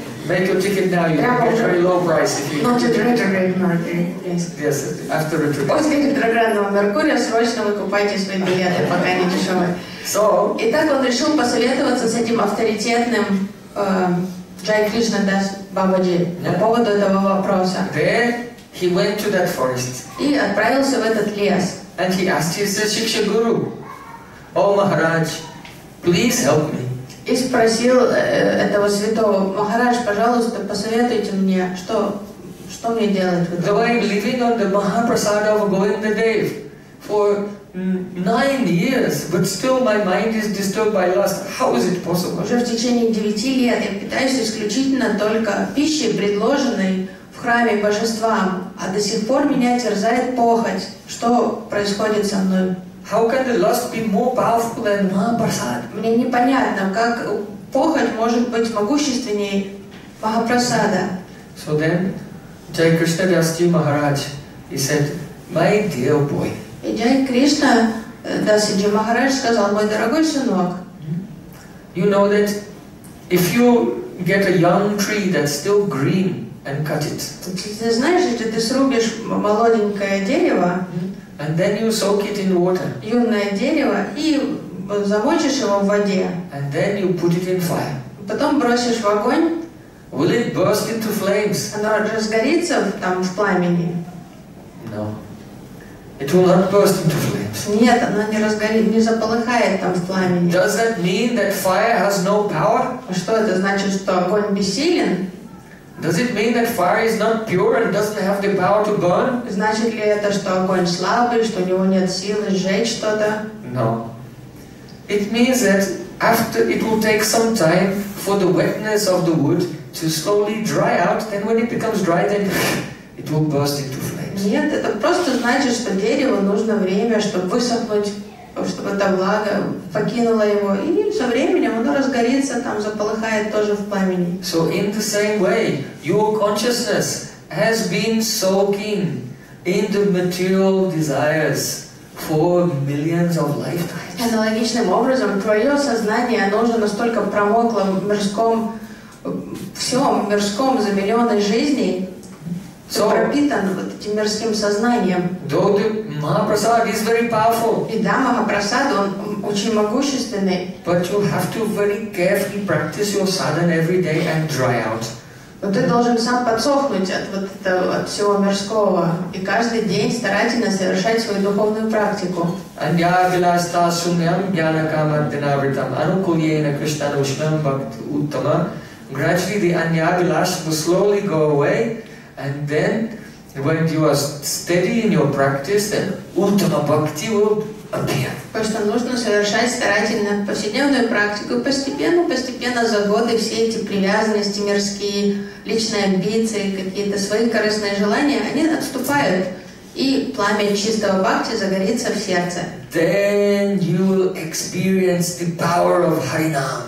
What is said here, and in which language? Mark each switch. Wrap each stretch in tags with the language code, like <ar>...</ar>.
<en>Make your ticket now, you have a very low price. Not a retrograde Mercury. Yes, after retrograde.</en> <ru>После ретроградного Меркурия срочно выкупайте свои билеты, пока они дешевые.</ru> <en>So,</en> <ru>итак, он решил посоветоваться с этим авторитетным Джай Кришна Дас Бабаджи по поводу этого вопроса.</ru> <en>There he went to that forest.</en> <ru>И отправился в этот лес.</ru> <en>And he asked his Шикша Гуру, О Махарадж, please help me.</en> <ru>И спросил этого святого, Махарадж, пожалуйста, посоветуйте мне, что мне делать в этом?</ru> <en>Though I'm living on the Mahaprasada of Govinda Dev for 9 years, but still my mind is disturbed by lust. How is it possible?</en> <ru>Уже в течение 9 лет я питаюсь исключительно только пищей, предложенной в храме божествам, а до сих пор меня терзает похоть. Что происходит со мной?</ru> <en>How can the lust be more powerful than Mahaprasad?</en> <ru>Мне непонятно, как похоть может быть могущественней Махапрасада.</ru> <en>So then, Jai Krishna Dasji Maharaj, he said, my dear boy.</en> <ru>И Джай Кришна Дасиджи Махарадж сказал, мой дорогой сынок.</ru> <en>You know that if you get a young tree that's still green and cut it.</en> <ru>Ты знаешь, если ты срубишь молоденькое дерево.</ru> <en>And then you soak it in water.</en> <ru>Юное дерево и замочишь его в воде.</ru> <en>And then you put it in fire.</en> <ru>Потом бросишь в огонь.</ru> <en>Will it burst into flames?</en> <ru>Оно разгорится там в пламени.</ru> <en>No. It will not burst into flames.</en> <ru>Нет, оно не разгорит, не заполыхает там в пламени.</ru> <en>Does that mean that fire has no power?</en> <ru>Что это значит, что огонь бессилен?</ru> <en>Does it mean that fire is not pure and doesn't have the power to burn?</en> <ru>Значит ли это, что огонь слабый, что у него нет силы сжечь что-то?</ru> <en>No. It means that after it will take some time for the wetness of the wood to slowly dry out, then when it becomes dry, then it will burst into flames.</en> <ru>Нет, это просто значит, что дереву нужно время, чтобы высохнуть, чтобы эта влага покинула его, и со временем оно разгорится, там заполыхает тоже в пламени.</ru> <en>So in the same way, your consciousness has been soaking in the material desires for millions of lifetimes.</en> <ru>Аналогичным образом, твое сознание, оно уже настолько промокло в мирском, всем мирском за миллионы жизней,</ru> <en>So,</en> <ru>пропитан вот этим мирским сознанием.</ru> <en>Mahaprasad is very powerful.</en> <ru>И да, Махапрасад, он очень могущественный.</ru> <en>But you have to very carefully practice your sadhana every day and dry out.</en> <ru>Но ты должен сам подсохнуть от вот этого, от всего мирского и каждый день старательно совершать свою духовную практику.</ru> <sa>Анья виласта сумьям гьяна кама динавритам анукульена криштану шмам бхакти уттама.</sa> <en>Gradually the анья вилас will slowly go away. And then, when you are steady in your practice, then ultima bhakti will appear.</en> <ru>Просто нужно совершать старательно повседневную практику, постепенно, постепенно за годы все эти привязанности мирские, личные амбиции, какие-то свои корыстные желания, они отступают, и пламя чистого бхакти загорится в сердце.</ru> <en>Then you'll experience the power of Харинам.</en>